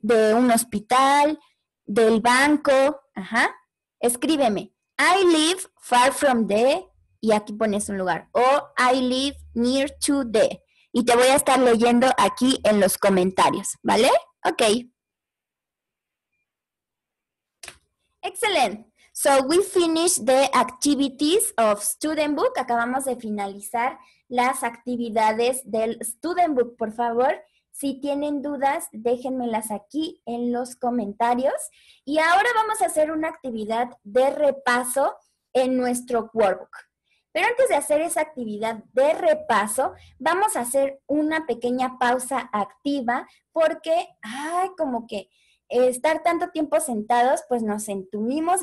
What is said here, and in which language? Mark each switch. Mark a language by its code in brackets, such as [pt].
[es] ¿De un hospital, del banco? Ajá. Escríbeme. [en] I live far from the, [es] y aquí pones un lugar. [en] O I live near to the. [es] Y te voy a estar leyendo aquí en los comentarios, ¿vale? [en] Ok. Excellent. So we finished the activities of student book. [es] Acabamos de finalizar las actividades del student book. Por favor, si tienen dudas, déjenmelas aquí en los comentarios. Y ahora vamos a hacer una actividad de repaso en nuestro workbook. Pero antes de hacer esa actividad de repaso, vamos a hacer una pequeña pausa activa porque, ay, como que estar tanto tiempo sentados, pues nos entumimos.